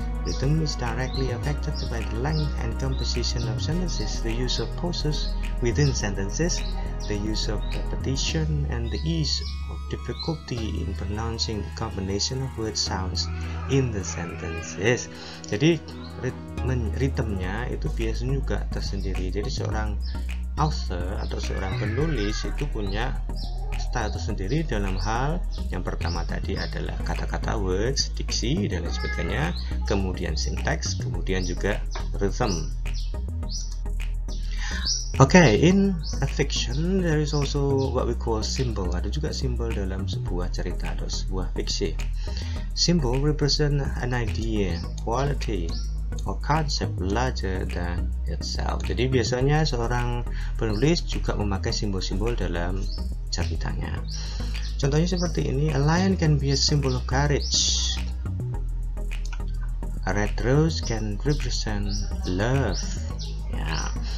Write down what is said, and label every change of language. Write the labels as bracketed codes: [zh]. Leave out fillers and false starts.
[en] Rhythm is directly affected by the length and composition of sentences, the use of pauses within sentences, the use of repetition, and the ease of difficulty in pronouncing the combination of word sounds in the sentences. [id] Jadi ritmenya itu biasanya juga tersendiri. Jadi seorang author atau seorang penulis itu punya style tersendiri dalam hal yang pertama tadi adalah kata-kata, words, diksi, dan lain sebagainya, kemudian sinteks, kemudian juga rhythm. [en] Okay, in a fiction, there is also what we call symbol. [id] Ada juga simbol dalam sebuah cerita atau sebuah fiksi. [en] Symbol represent an idea, quality, or concept larger than itself. [id] Jadi biasanya seorang penulis juga memakai simbol-simbol dalam ceritanya. Contohnya seperti ini, [en] a lion can be a symbol of courage. A red rose can represent love. Ya.